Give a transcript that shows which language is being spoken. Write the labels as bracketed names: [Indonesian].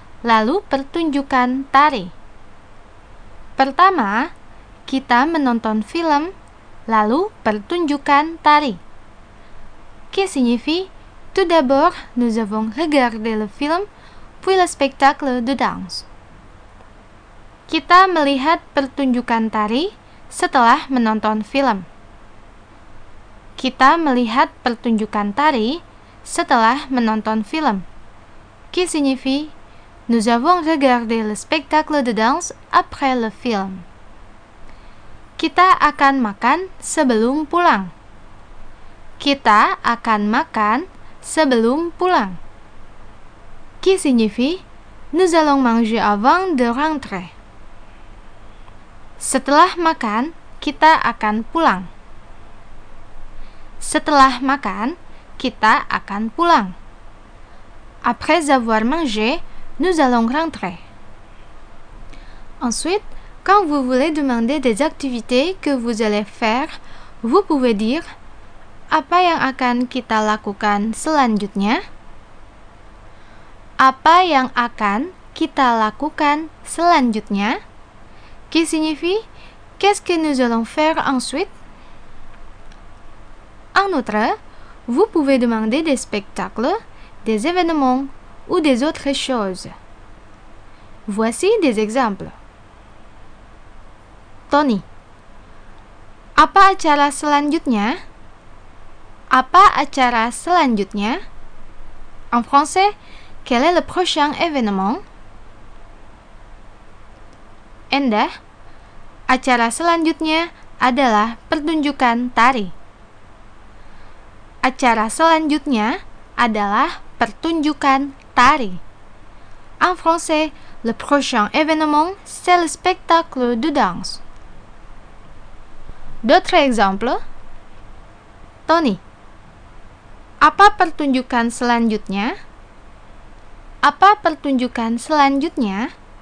[Indonesian] Lalu pertunjukan tari. Pertama, kita menonton film, lalu pertunjukan tari. [French] Qui signifie, tout d'abord, nous avons regardé le film, puis le spectacle de danse. [Indonesian] Kita melihat pertunjukan tari setelah menonton film. Kita melihat pertunjukan tari setelah menonton film. [French] Qui signifie, nous avons regardé le spectacle de danse après le film. [Indonesian] Kita akan makan sebelum pulang. Kita akan makan sebelum pulang. [French] Qui signifie, nous allons manger avant de rentrer. [Indonesian] Setelah makan, kita akan pulang. Setelah makan, kita akan pulang. [French] Après avoir mangé, nous allons rentrer. Ensuite, quand vous voulez demander des activités que vous allez faire, vous pouvez dire [Indonesian] apa yang akan kita lakukan selanjutnya? Apa yang akan kita lakukan selanjutnya? [French] Qui signifie qu'est-ce que nous allons faire ensuite? En outre, vous pouvez demander des spectacles, des événements ou des autres choses. Voici des exemples. [Indonesian] Tony, apa acara selanjutnya? Apa acara selanjutnya? [French] En français, quel est le prochain événement? [Indonesian] Enda, acara selanjutnya adalah pertunjukan tari. Acara selanjutnya adalah pertunjukan tari. [French] En français, le prochain événement, c'est le spectacle de danse. D'autres exemples. [Indonesian] Tony, apa pertunjukan selanjutnya? Apa pertunjukan selanjutnya?